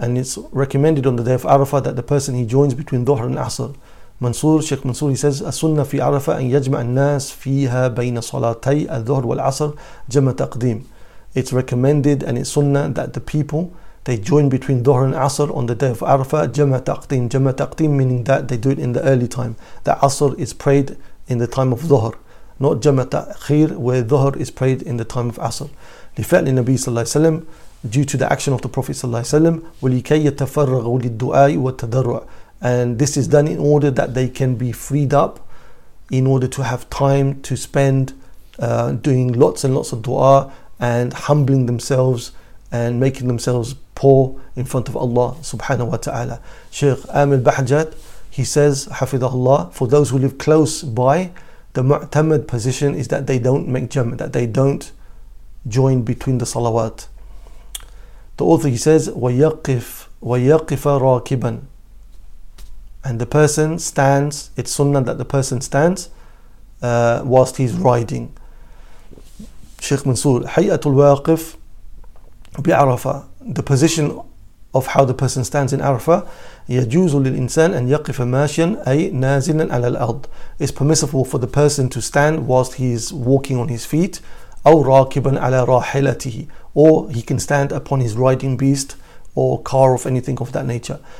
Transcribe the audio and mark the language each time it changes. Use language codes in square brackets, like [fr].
[en] And it's recommended on the day of Arafah that the person he joins between Dhuhr and Asr. [ar] Mansur, Sheikh Mansur, he says, السنة في عرفة أن يجمع الناس فيها بين صلاتي الظهر والعصر جمع تقديم. [en] It's recommended and it's sunnah that the people, they join between Dhuhr and Asr on the day of Arafah, جمع تقديم. جمع تقديم meaning that they do it in the early time. The Asr is prayed in the time of Dhuhr, not جمع تأخير, where Dhuhr is prayed in the time of Asr. [ar] لفعل النبي [en] صلى الله عليه وسلم, due to the action of the Prophet صلى الله عليه وسلم, [ar] ولكي يتفرغوا للدعاء والتضرع. [en] And this is done in order that they can be freed up, in order to have time to spend doing lots and lots of dua and humbling themselves and making themselves poor in front of Allah subhanahu wa ta'ala. Sheikh Amil Bahjat, he says, hafidhahullah, for those who live close by, the mu'tamad position is that they don't make jam, that they don't join between the salawat. The author, he says, [ar] وَيَقِفَ رَاكِبًا. [en] And the person stands, it's sunnah that the person stands whilst he's riding. [ar] Sheikh Mansur, حَيَّةُ الْوَاقِفْ بِعَرَفَةٍ. [en] The position of how the person stands in Arafah, [ar] يَجُوزُ لِلْإِنسَانِ أَنْ يَقِفَ مَاشِيًا أَيْ نَازِلًا عَلَى الْأَرْضِ. [en] It's permissible for the person to stand whilst he's walking on his feet, [ar] أَوْ رَاكِبًا عَلَى رَاحِلَتِهِ, [en] or he can stand upon his riding beast or car of anything of that nature.